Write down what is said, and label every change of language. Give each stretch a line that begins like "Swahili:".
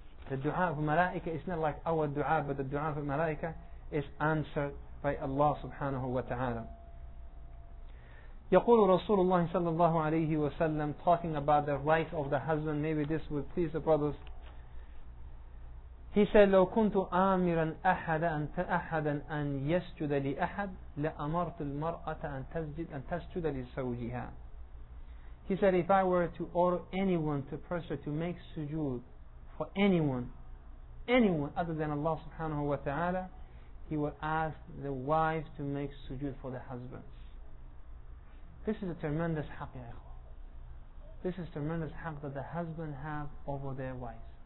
English: The dua of malaika is not like our dua, but the dua of malaika is answered by Allah subhanahu wa ta'ala.
Arabic: يقول رسول الله صلى الله عليه وسلم,
English: talking about the right of the husband, maybe this would please the brothers. He said,
Arabic: لو كنت آمرا أحدا أن أحدا أن يسجد لأحد لأمرت المرأة أن تسجد لزوجها.
English: He said, if I were to order anyone to pressure to make sujood for anyone other than Allah subhanahu wa ta'ala, he would ask the wives to make sujood for the husbands. This is a tremendous haq, ya ikhwan. This is a tremendous haq that the husband have over their wives.